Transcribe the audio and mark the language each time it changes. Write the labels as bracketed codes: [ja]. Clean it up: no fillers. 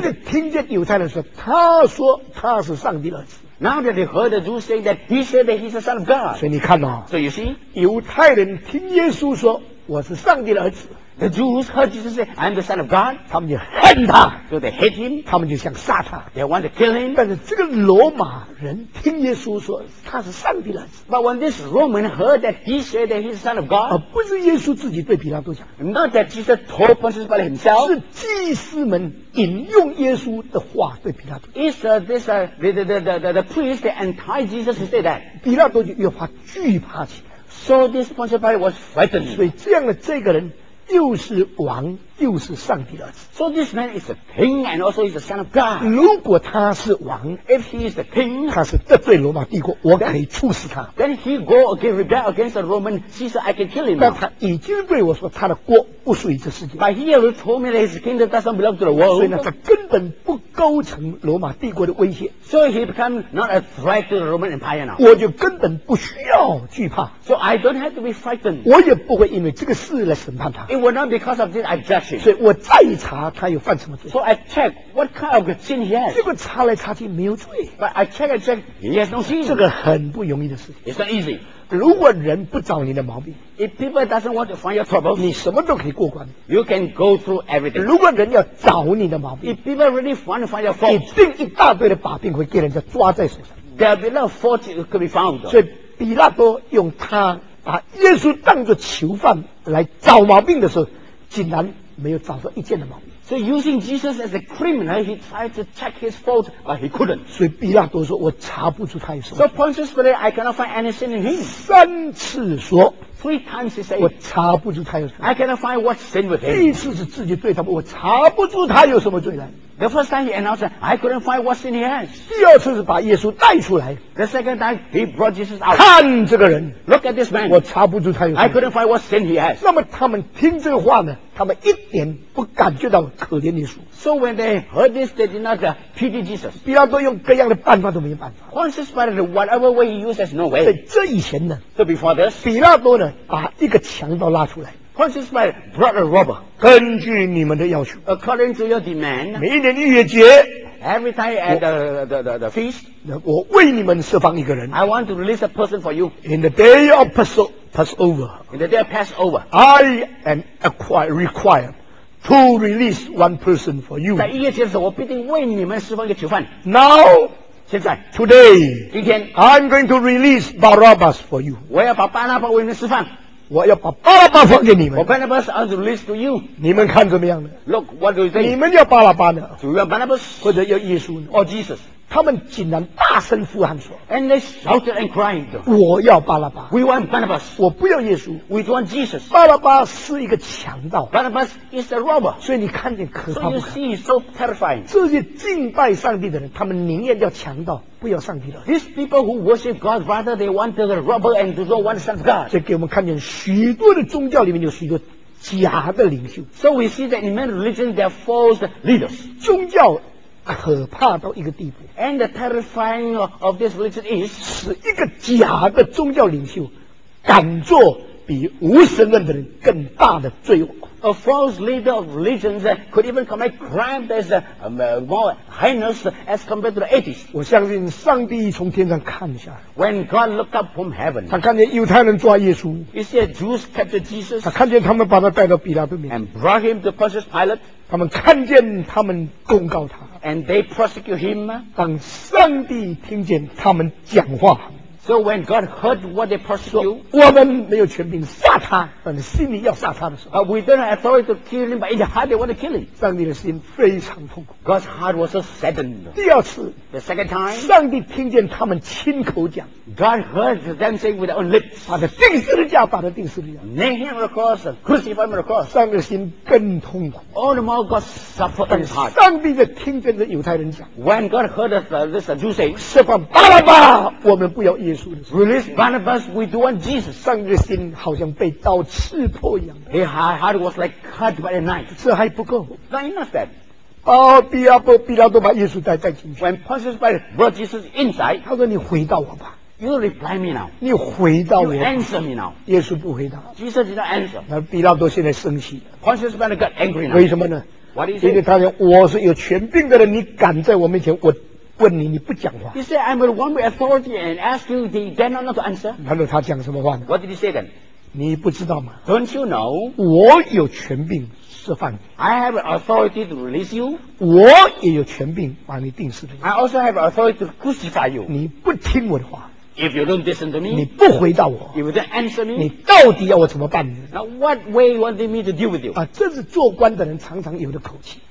[zh] 这个听见犹太人说，他说他是上帝儿子。 [en] Now that they heard the Jews say that he said that he's the son of God. [zh] 所以你看哦。 [en] So you see, [zh] 犹太人听耶稣说我是上帝的儿子。 [en] The Jews heard Jesus say, I'm the son of God. [zh] 他们就恨他。 [en] So they hate him. [zh] 他们就想杀他。 [en] They want to kill him. [zh] 但是这个罗马人听耶稣说他是上帝的儿子。 [en] But when this Roman heard that he said that he's the son of God. [zh] 而不是耶稣自己对比拉多讲。 [en] Not that Jesus told Pontius Pilate himself. [zh] 是祭司们引用耶稣的话对比拉多。 [en] It's this, the priest that entice Jesus to say that. [zh] 比拉多就越发惧怕起来。 [en] So this Pontius Pilate was frightened. [zh] 所以这样的这个人又是王又是上帝的儿子。 [en] So this man is a king and also is a son of God. [zh] 如果他是王， [en] If he is the king, [zh] 他是得罪罗马帝国，我可以处死他。 [en] Then he go again, rebel against the Roman Caesar, I can kill him. [zh] 但他已经对我说他的国不属于这世界。 [en] But he already told me that his kingdom doesn't belong to the world. [zh] 所以呢，他根本不构成罗马帝国的威胁。 [en] So he become not a threat to the Roman Empire now. [zh] 我就根本不需要惧怕。 [en] So I don't have to be frightened. [zh] 我也不会因为这个事来审判他。 [en] It will not because of this I judge him. [zh] 所以我再查他有犯什么罪。 [en] So I check what kind of sin he has. [zh] 这个查来查去没有罪。 [en] But I check and check he has no sin. [zh] 这个很不容易的事情。 [en] It's not easy. [zh] 如果人不找你的毛病， [en] If people doesn't want to find your troubles, [zh] 你什么都可以过关。 [en] You can go through everything. [zh] 如果人要找你的毛病， [en] If people really want to find your fault, [zh] 一定一大堆的把柄会给人家抓在手上。 [en] There will be no fault that could be found. [zh] 所以比拉多用他把耶稣当作囚犯来找毛病的时候，竟然没有找到一件的毛病。 [en] So using Jesus as a criminal, he tried to check his fault, but he couldn't. [zh] 所以比拉多说，我查不出他有什么。 [en] So Pontius Pilate, I cannot find anything in him. [zh] 三次说。 [en] Three times he said, [zh] 我查不出他有什么。 [en] I cannot find what sin with him. [zh] 第一次是自己对他，我查不出他有什么罪来。 [en] The first time he announced, I couldn't find what sin he has. [zh] 第二次是把耶稣带出来。 [en] The second time he brought Jesus out. [zh] 看这个人。 [en] Look at this man. [zh] 我查不出他有什么。 [en] I couldn't find what sin he has. [zh] 那么他们听这话呢，他们一点不感觉到可怜耶稣。 [en] So when they heard this, they did not pity Jesus. [zh] 比拉多用各样的办法都没有办法。 [en] Pontius Pilate, whatever way he used, there's no way. [zh] 在这以前呢， [en] So before this, [zh] 比拉多呢，把一个强盗拉出来。 [en] Pontius Pilate brought a robber. [zh] 根据你们的要求。 [en] According to your demand. [zh] 每一年逾越节。 [en] Every time at the feast. [zh] 我为你们释放一个人。 [en] I want to release a person for you. In the day of Passover. Passover. In the day of Passover, I am required to release one person for you. [zh] 在逾越节的时候，我必定为你们释放一个囚犯。 [en] Now, [zh] 现在 [en] today, [zh] 今天 [en] I'm going to release Barabbas for you. [zh] 我要把巴拿巴为你们释放。我要把巴拉巴放给你们。我 [en] Barabbas is released to you. [zh] 你们看怎么样呢 [en] ？Look, what do you think? [zh] 你们要巴拉巴呢 [en] ？Do you want Barabbas? [zh] 或者要耶稣呢 [en] ？Or Jesus? [zh] 他们竟然大声呼喊说 [en] ，And they shouted and cried. [zh] 我要巴拉巴。 [en] We want Barabbas. [zh] 我不要耶稣。 [en] We want Jesus. [zh] 巴拉巴是一个强盗。 [en] Barabbas is a robber. [zh] 所以你看见可怕不可 [en] ？So you see, so terrifying. [zh] 这些敬拜上帝的人，他们宁愿要强盗。不要上帝了。 [en] These people who worship God rather they want the robber and do not want the Son of God. [zh] 这给我们看见许多的宗教里面有许多假的领袖。 [en] So we see that in many religions there are false leaders. [zh] 宗教可怕到一个地步。 [en] And the terrifying of this religion is [zh] 使一个假的宗教领袖敢做比无神论的人更大的罪恶。 [en] A false leader of religions could even commit crime that's more heinous as compared to the atheists. [zh] 我相信上帝从天上看下来。 [en] When God looked up from heaven, [zh] 他看见犹太人抓耶稣。 [en] He said Jews captured Jesus. [zh] 他看见他们把他带到比拉多面前。 [en] And brought him to Pontius Pilate. [zh] 他们看见他们控告他。 [en] And they prosecute him. [zh] 当上帝听见他们讲话。 [en] So when God heard what they pursued, [zh] 我们没有权柄杀他，但心里要杀他的时候 [en] ，we don't have authority to kill him, but in the heart they want to kill him. [zh] 上帝的心非常痛苦 [en] ，God's heart was so saddened. [zh] 第二次 [en] ，the second time, [zh] 上帝听见他们亲口讲 [en] ，God heard them saying with their own lips, [zh] 把他钉十字架，把他钉十字架 [en] ，nail him on the cross, crucify him on the cross. [zh] 上帝的心更痛苦 [en] ，all the more God suffered in heart. [zh] 上帝的听见的犹太人讲 [en] ，when God heard this Jew saying, [zh] 释放巴拉巴，我们不要耶稣。 [en] Release Barnabas, we do want Jesus. [zh] 上帝的心好像被刀刺破一样。 [en] His heart was like cut by a knife. [zh] 这还不够。 [en] Not enough that. [zh] 比拉多把耶稣带进去。 [en] When Pontius Pilate brought Jesus inside, [zh] 他说你回答我吧。 [en] You reply me now. [zh] 你回答我。 [en] You answer me now. [zh] 耶稣不回答。 [en] Jesus did not answer. [zh] 那比拉多现在生气了。 [en] Pontius Pilate got angry now. [zh] 为什么呢？ [en] What is it? [zh] 因为他说我是有权柄的人，你敢在我面前我。问你，你不讲话。 [en] He said, "I'm the one with authority and ask you the then not to answer." [zh] 然后他讲什么话呢 [en] ？What did he say then? [zh] 你不知道吗 [en] ？Don't you know? [zh] 我有权柄释放你。 [en] I have authority to release you. [zh] 我也有权柄把你钉死。 [en] I also have authority to crucify you. [zh] 你不听我的话。 [en] If you don't listen to me, [zh] 你不回答我。 [en] If you don't answer me, [zh] 你到底要我怎么办呢 [en] ？Now what way you want me to deal with you? [zh] 啊，这是做官的人常常有的口气。